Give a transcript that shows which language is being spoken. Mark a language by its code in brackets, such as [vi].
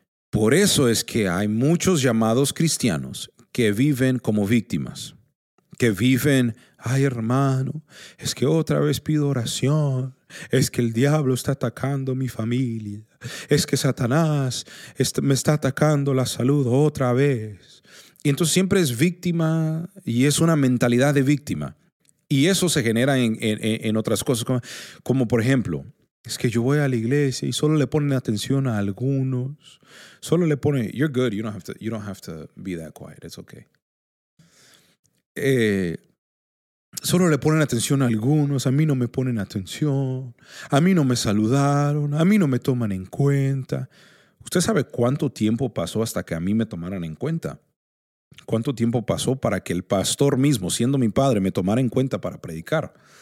[es] Por eso es que hay muchos llamados cristianos que viven como víctimas, que viven, ay hermano, es que otra vez pido oración, es que el diablo está atacando mi familia, es que Satanás me está atacando la salud otra vez. Y entonces siempre es víctima y es una mentalidad de víctima. Y eso se genera en otras cosas, como por ejemplo, es que yo voy a la iglesia y solo le ponen atención a algunos. Solo le ponen, [en] you're good, you don't have to be that quiet, it's okay. [es] Solo le ponen atención a algunos, a mí no me ponen atención, a mí no me saludaron, a mí no me toman en cuenta. ¿Usted sabe cuánto tiempo pasó hasta que a mí me tomaran en cuenta? ¿Cuánto tiempo pasó para que el pastor mismo, siendo mi padre, me tomara en cuenta para predicar?